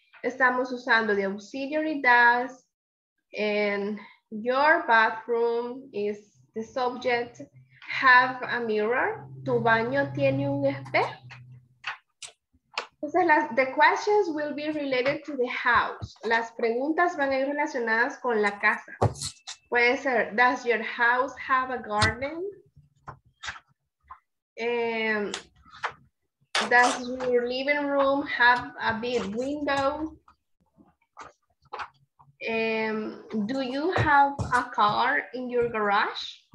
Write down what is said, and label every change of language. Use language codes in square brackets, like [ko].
[es] Estamos usando [en] the auxiliary does. And your bathroom is the subject. Have a mirror. [es] Tu baño tiene un espejo. [en] Entonces, the questions will be related to the house. [es] Las preguntas van a ir relacionadas con la casa. Puede ser, [en] does your house have a garden? Does your living room have a big window? Do you have a car in your garage?